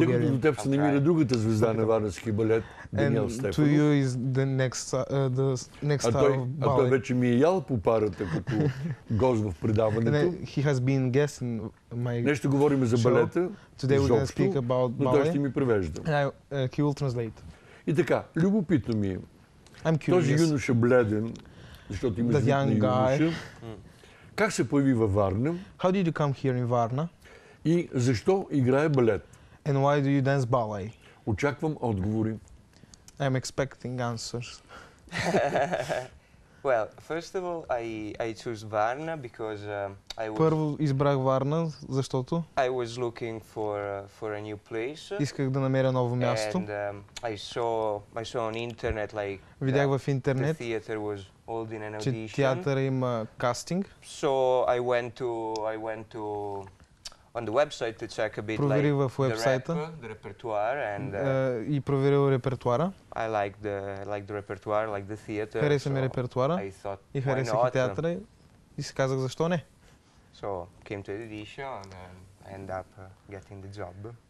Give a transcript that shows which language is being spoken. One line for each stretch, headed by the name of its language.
Bulgarian: И тъй като до теб се намира другата звезда на варненския балет, Даниел Стефанов.
English: And to you is the next, the next star of ballet.
Bulgarian: А той вече ми е ял по парата, като гост в предаването.
English: And he has been guest in my
Bulgarian: Днес ще говорим за балета.
English: Today we're going to speak about ballet.
Bulgarian: Но той ще ми превежда.
English: And he will translate.
Bulgarian: И така, любопитно ми е.
English: I'm curious.
Bulgarian: Този юноша бледен, защото има жутна юноша. Как се появи във Варна?
English: How did you come here in Varna?
Bulgarian: И защо играе балет?
English: And why do you dance ballet?
Bulgarian: Очаквам отговори.
English: I'm expecting answers. Well, first of all, I chose Varna because I was
Bulgarian: Първо избрах Варна, защото
English: I was looking for a new place.
Bulgarian: Исках да намеря ново място.
English: And I saw on internet like
Bulgarian: Видях в интернет.
English: The theater was holding an audition.
Bulgarian: Че театъра има кастинг.
English: So I went to on the website to check a bit
Bulgarian: Проверих
English: like
Bulgarian: в вебсайта,
English: the repertoire and
Bulgarian: и проверил репертуара.
English: I like the repertoire, like the theater.
Bulgarian: Хареса ми репертуара. И харесах театъра и си казах защо не.
English: So came to the audition and end up getting the job.